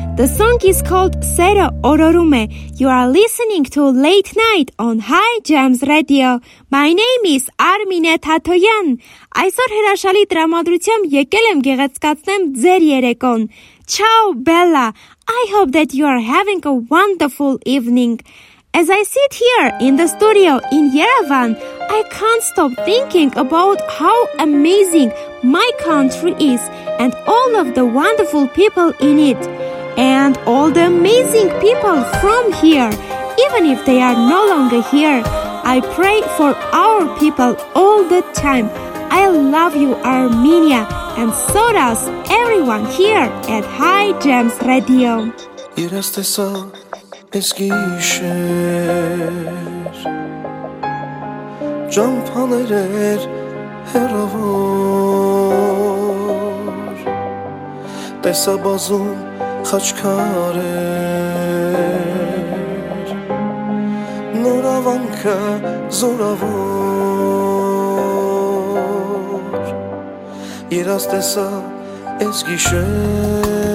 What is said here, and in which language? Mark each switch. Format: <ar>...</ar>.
<en>The song is called Սերը օրորում է. You are listening to Late Night on High Jams Radio. My name is Armine Tatoyan.</en> <hy>Այսօր հրաշալի տրամադրությամ եկել եմ գեղեցկացնեմ ձեր երեկոն.</hy> <it>Ciao Bella,</it> <en>I hope that you are having a wonderful evening. As I sit here in the studio in Yerevan, I can't stop thinking about how amazing my country is and all of the wonderful people in it. And all the amazing people from here, even if they are no longer here. I pray for our people all the time. I love you, Armenia, and so does everyone here at High Jams Radio.</en> <hy>Ես գիշեր ճամփաներ էր հեռավոր, տեսա բազում խաչքարեր, նորավանքը զորավոր, երազ տեսա ես գիշեր</hy>